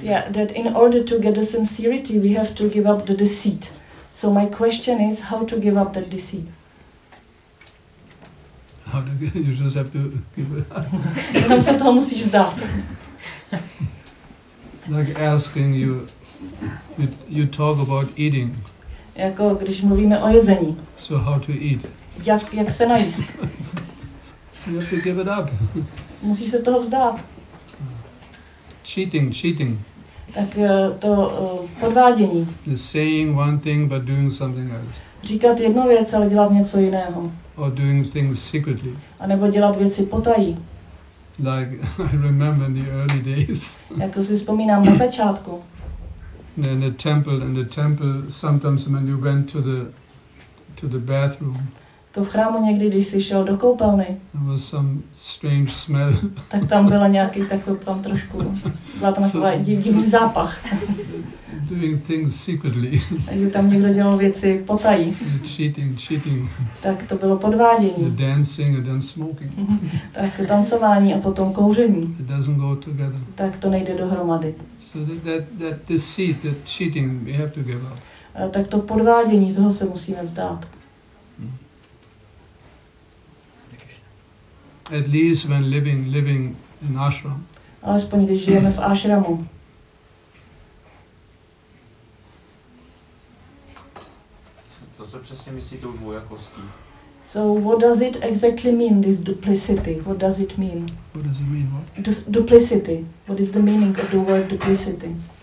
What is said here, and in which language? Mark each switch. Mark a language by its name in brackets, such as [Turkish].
[English] Yeah, that in order to get the sincerity, we have to give up the deceit. So my question is, how to give up the deceit? How to get? You just have to give it up. [Czech] Tam se toho musíš zdát. [English] Like asking you talk about eating. [Czech] Jako když mluvíme o jezení. [English] So how to eat? [Czech] Jak se najíst? [English] You have to give it up. [Czech] Musíš se toho vzdát. [English] Cheating. [Czech] Tak to podvádění. [English] Saying one thing but doing something else. [Czech] Říkat jednu věc, ale dělat něco jiného. [English] Or doing things secretly. [Czech] A nebo dělat věci potají. [English] Like I remember in the early days. [Czech] Jako si vzpomínám na začátku. [English] In the temple sometimes when you went to the bathroom. [Czech] To v chrámu někdy, když jsi šel do koupelny. [English] There was some strange smell. [Czech] Tak tam byla nějaký, tak to tam trošku, byla tam taková divný zápach. [English] Doing things secretly. [Czech] Takže tam někdo dělal věci potají. [English] Cheating. [Czech] Tak to bylo podvádění. [English] The dancing and then smoking. [Czech] Tak to tancování a potom kouření. [English] It doesn't go together. [Czech] Tak to nejde dohromady. [English] So that deceit, that cheating, we have to give up. [Czech] Tak to podvádění, toho se musíme vzdát. [English] At least when living in ashram. [Czech] Alespoň když žijeme v ashramu. Co se přesně myslí tou dvojakostí? [English] So what does it exactly mean, this duplicity? What does it mean? What does it mean, what? Duplicity. What is the meaning of the word duplicity?